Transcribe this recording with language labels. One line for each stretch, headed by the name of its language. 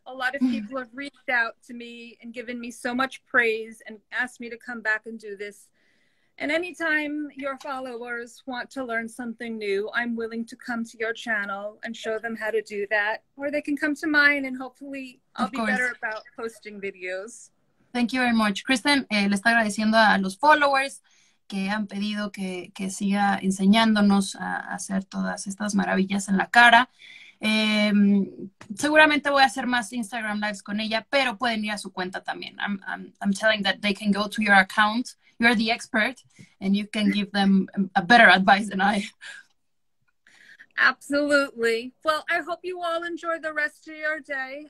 English: A lot of people have reached out to me and given me so much praise and asked me to come back and do this. And anytime your followers want to learn something new, I'm willing to come to your channel and show them how to do that. Or they can come to mine and hopefully I'll be better about posting videos. Thank you very much.
Spanish: Kristen, le está agradeciendo a los followers que han pedido que siga enseñándonos a hacer todas estas maravillas en la cara. Seguramente voy a hacer más Instagram Lives con ella, pero pueden ir a su cuenta también.
English: I'm telling that they can go to your account. You're the expert and you can give them a better advice than I. Absolutely. Well, I hope you all enjoy the rest of your day.